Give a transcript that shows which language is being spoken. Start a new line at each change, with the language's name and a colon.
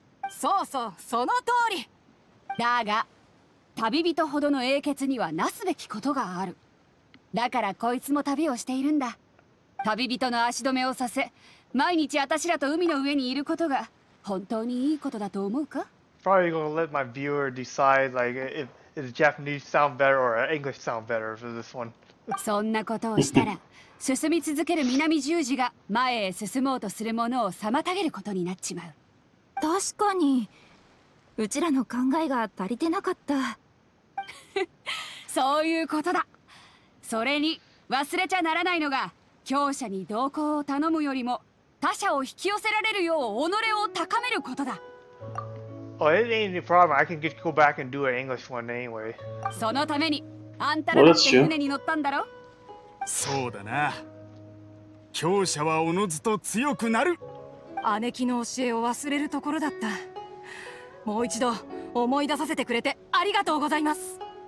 Japanese: そうそう、その通り。だが、旅人ほどの英傑にはなすべきことがある。だからこいつも旅をしているんだ。旅人の足止めをさせ、毎日私らと海の上にいることが本当にいいことだと思うか？
English: Probably gonna let my viewer decide like if the Japanese sound better or English sound better for this one.
Japanese: そんなことをしたら、進み続ける南十字が前へ進もうとするものを妨げることになっちまう。確かに。うちらの考えが足りてなかった。そういうことだ。それに忘れちゃならないのが、強者に同行を頼むよりも他者を引き寄せられるよう己を高めることだ。
English: Oh, it ain't any problem. I can go back and do an English one anyway.
Japanese: そのためにあんたらだって船に乗ったんだろ。そうだな。強者はおのずと強くなる。姉貴の教えを忘れるところだった。もう一度思い出させてくれてありがとうございます。